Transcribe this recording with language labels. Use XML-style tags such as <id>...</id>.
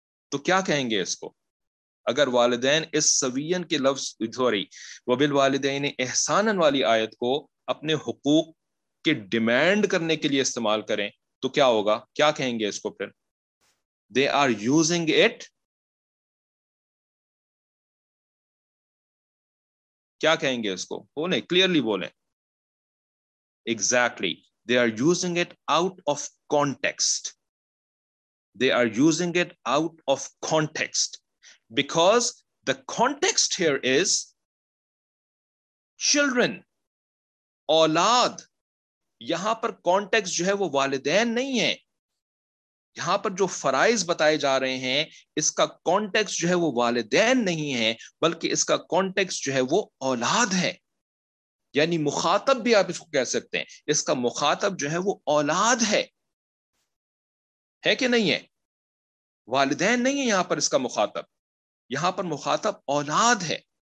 <ur>تو کیا کہیں گے اس کو اگر والدین اس سوین کے لفظ, سوری,</ur> <ar>وَبِالْوَالِدَيْنِ احسانًا</ar> <ur>والی آیت کو اپنے حقوق کے ڈیمانڈ کرنے کے لیے استعمال کریں, تو کیا ہوگا, کیا کہیں گے اس کو پھر؟</ur> <en>they are using it,</en> <ur>کیا کہیں گے اس کو؟ بولیں, کلیئرلی بولیں.</ur> <en>Exactly, they are using it out of context. They are using it out of context because the context here is children, اولاد.</en> <ur>یہاں پر کانٹیکسٹ جو ہے وہ والدین نہیں ہے. یہاں پر جو فرائض بتائے جا رہے ہیں اس کا کانٹیکسٹ جو ہے وہ والدین نہیں ہے بلکہ اس کا کانٹیکسٹ جو ہے وہ اولاد ہے, یعنی مخاطب بھی آپ اس کو کہہ سکتے ہیں, اس کا مخاطب جو ہے وہ اولاد ہے, ہے کہ نہیں ہے؟ والدین نہیں ہے یہاں پر اس کا مخاطب, یہاں پر مخاطب اولاد ہے.</ur>